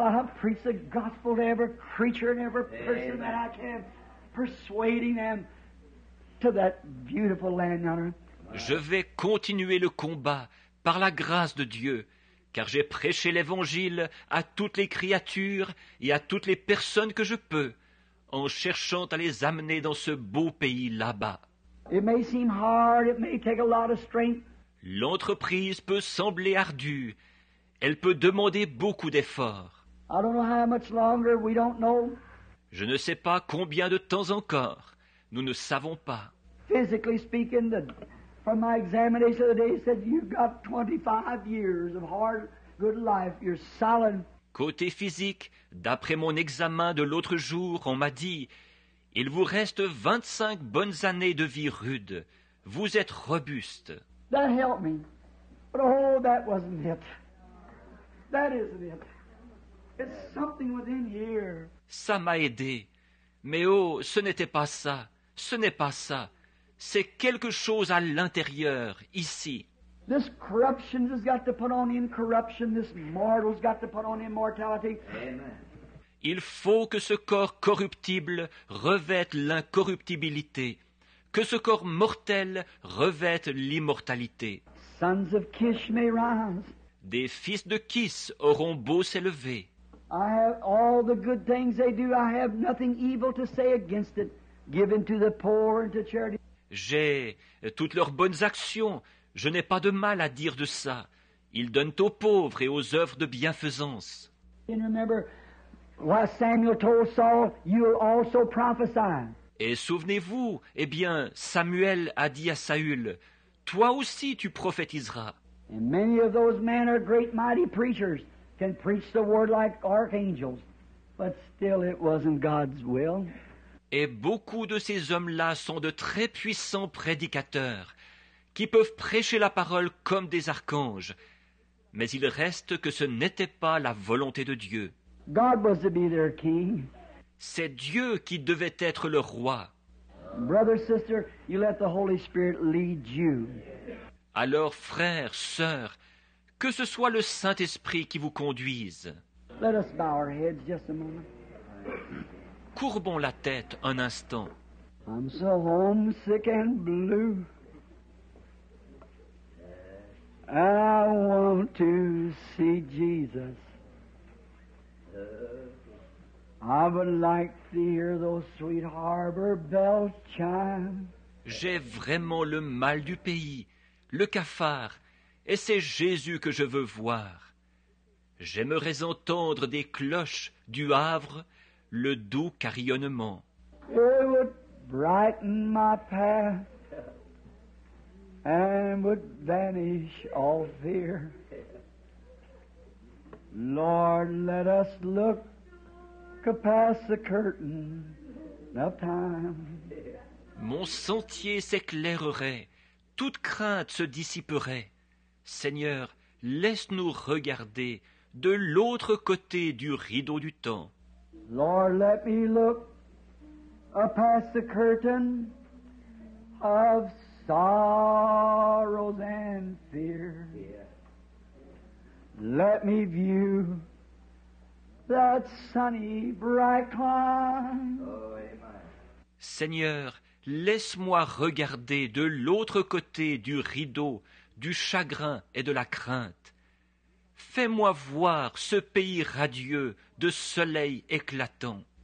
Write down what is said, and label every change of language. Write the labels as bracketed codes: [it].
[en] I'll preach the gospel to every creature and every person that I can, persuading them to that beautiful land yonder. [fr] Je vais continuer le combat par la grâce de Dieu, car j'ai prêché l'Évangile à toutes les créatures et à toutes les personnes que je peux, en cherchant à les amener dans ce beau pays là-bas. [en] It may seem hard, it may take a lot of strength. [fr] L'entreprise peut sembler ardue, elle peut demander beaucoup d'efforts. [en] I don't know how much longer, we don't know. [fr] Je ne sais pas combien de temps encore, nous ne savons pas. [en] Physically speaking, from my examination of the day, he said, you've got 25 years of hard, good life. You're solid. [fr] Côté physique, d'après mon examen de l'autre jour, on m'a dit, il vous reste 25 bonnes années de vie rude. Vous êtes robuste. [en] That helped me. But oh, that wasn't it. That isn't it. It's something within here. [fr] Ça m'a aidé. Mais oh, ce n'était pas ça. Ce n'est pas ça. C'est quelque chose à l'intérieur, ici. [en] This corruption has got to put on incorruption. This mortal's got to put on immortality. Amen. [fr] Il faut que ce corps corruptible revête l'incorruptibilité, que ce corps mortel revête l'immortalité. [en] Sons of Kish may rise. [fr] Des fils de Kis auront beau s'élever. [en] I have all the good things they do. I have nothing evil to say against it. Given to the poor and to charity. [fr] J'ai toutes leurs bonnes actions. Je n'ai pas de mal à dire de ça. Ils donnent aux pauvres et aux œuvres de bienfaisance. [en] And remember what Samuel told Saul, you'll also prophesy. [fr] Et souvenez-vous, eh bien, Samuel a dit à Saül, toi aussi tu prophétiseras. [en] And many of those men are great mighty preachers, can preach the word like archangels. But still it wasn't God's will. [fr] Et beaucoup de ces hommes-là sont de très puissants prédicateurs qui peuvent prêcher la parole comme des archanges. Mais il reste que ce n'était pas la volonté de Dieu. [en] God was to be their king. [fr] C'est Dieu qui devait être leur roi. [en] Brother, sister, you let the Holy Spirit lead you. [fr] Alors, frères, sœurs, que ce soit le Saint-Esprit qui vous conduise. [en] Let us bow our heads just a moment. [fr] Courbons la tête un instant. [en] I'm so homesick and blue. I want to see Jesus. I would like to hear those sweet harbor bells chime. [fr] J'ai vraiment le mal du pays, le cafard, et c'est Jésus que je veux voir. J'aimerais entendre des cloches du Havre. Le doux carillonnement. [en] It would brighten my path and would vanish all fear. Lord, let us look past the curtain of time. [fr] Mon sentier s'éclairerait, toute crainte se dissiperait. Seigneur, laisse-nous regarder de l'autre côté du rideau du temps. [en] Lord, let me look up past the curtain of sorrows and fear. Let me view that sunny, bright climb. [fr] Seigneur, laisse-moi regarder de l'autre côté du rideau, du chagrin et de la crainte. Fais-moi voir ce pays radieux de soleil éclatant.